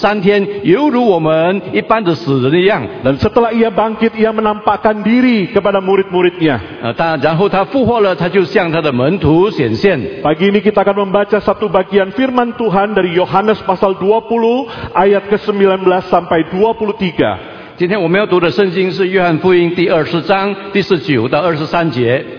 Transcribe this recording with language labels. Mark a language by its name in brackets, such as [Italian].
[Chinese] 他我们今天他今天复活了三天前他在这个坟墓里躺着三天犹如我们一般的死人一样。 [Indonesian] Dan setelah ia bangkit ia menampakkan diri kepada murid-muridnya. [Chinese] 然后他复活了他就向他的门徒显现。 [Indonesian] Pagi ini kita akan membaca satu bagian firman Tuhan dari Yohanes pasal 20 ayat ke-19 sampai 23. [Chinese] 今天我们要读的圣经是约翰福音第20章第19到23节。